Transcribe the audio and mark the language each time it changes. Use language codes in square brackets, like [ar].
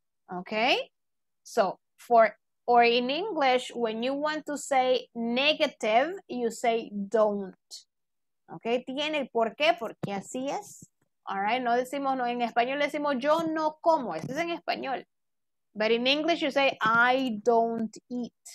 [en] Okay, so or in English, when you want to say negative, you say don't. [es] Okay, tiene por qué, porque así es. [en] All right, [es] no decimos, no, en español decimos, yo no como. Eso es en español. [en] But in English, you say, I don't eat.